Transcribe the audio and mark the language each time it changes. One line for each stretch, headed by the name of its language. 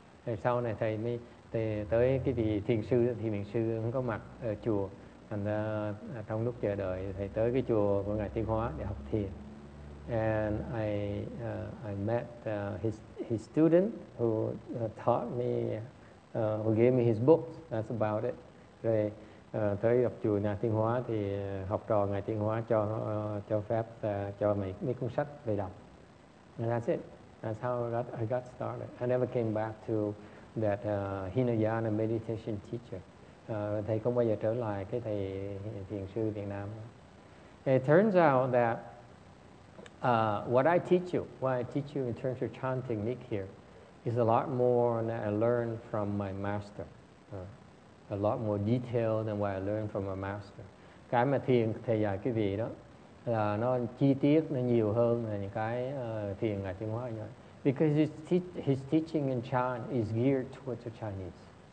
Vietnamese: And sau này thầy mới tới cái vị thiền sư không có mặt ở chùa. Thành ra trong lúc chờ đợi thầy tới cái chùa của ngài Thiên Hóa để học thiền.
English: And I met his student who taught me, who gave me his books. That's about it.
Vietnamese: Rồi tới học chùa nhà Tiên Hóa thì học trò ngài Tiên Hóa cho phép cho mấy cuốn sách về đọc.
English: And that's it. That's how I got started. I never came back to that Hinayana meditation teacher.
Vietnamese: Thầy không bao giờ trở lại cái thầy thiền sư Việt Nam.
English: It turns out that what I teach you in terms of chan technique here is a lot more than I learned from my master. A lot more detailed than what I learned from my master.
Vietnamese: Cái mà thiền thầy dạy quý vị đó là nó chi tiết nó nhiều hơn là những cái thiền ở Trung Hoa nhỉ.
English: Because his teaching in chan is geared towards the Chinese.